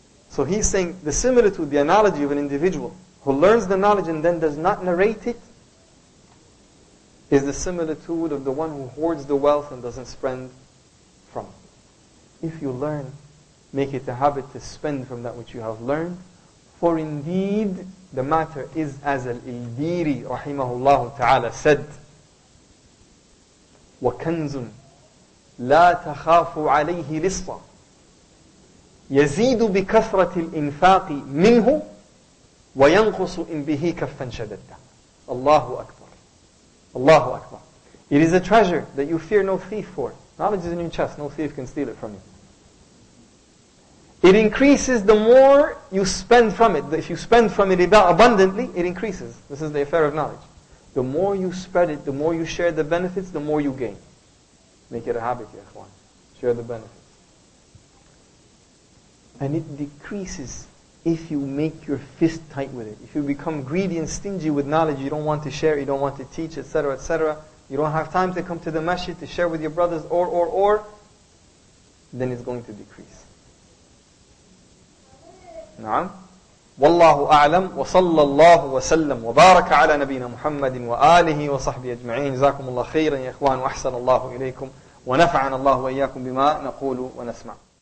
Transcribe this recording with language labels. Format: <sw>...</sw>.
<en>So he's saying the similitude, the analogy of an individual who learns the knowledge and then does not narrate it, is the similitude of the one who hoards the wealth and doesn't spend from it. If you learn, make it a habit to spend from that which you have learned. For indeed, the matter is as Al-Ildiri rahimahullah ta'ala said,</en> <ar>وَكَنْزٌ لَا تَخَافُ عَلَيْهِ رِصَّةٌ يَزِيدُ بِكَثْرَةِ الْإِنْفَاقِ مِنْهُ وَيَنْقُصُ إِنْ بِهِ كَفَّنْ شَدَدًا. Allahu Akbar. Allahu Akbar.</ar> <en>It is a treasure that you fear no thief for. Knowledge is in your chest, no thief can steal it from you. It increases the more you spend from it. If you spend from it abundantly, it increases. This is the affair of knowledge. The more you spread it, the more you share the benefits, the more you gain. Make it a habit, ya ikhwan. Share the benefits. And it decreases if you make your fist tight with it. If you become greedy and stingy with knowledge, you don't want to share, you don't want to teach, etc., etc. You don't have time to come to the masjid to share with your brothers, or. Then it's going to decrease.</en> <ar>Naam. والله أعلم وصلى الله وسلم وبارك على نبينا محمد وآله وصحبه أجمعين جزاكم الله خيرا يا إخوان وأحسن الله إليكم ونفعنا الله وإياكم بما نقول ونسمع</ar>